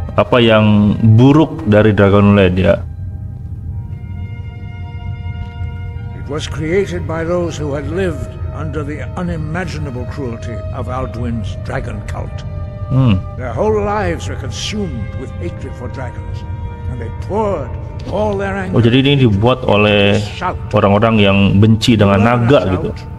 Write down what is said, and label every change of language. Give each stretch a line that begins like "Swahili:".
Indonesian: Apa yang buruk dari Dragonrend ya?
English: It was created by those who had lived under the unimaginable cruelty of Alduin's dragon cult. Mm. Their whole lives were consumed with hatred for dragons, and they poured all their anger.
Indonesian: Oh, jadi ini dibuat oleh orang-orang yang benci dengan naga gitu.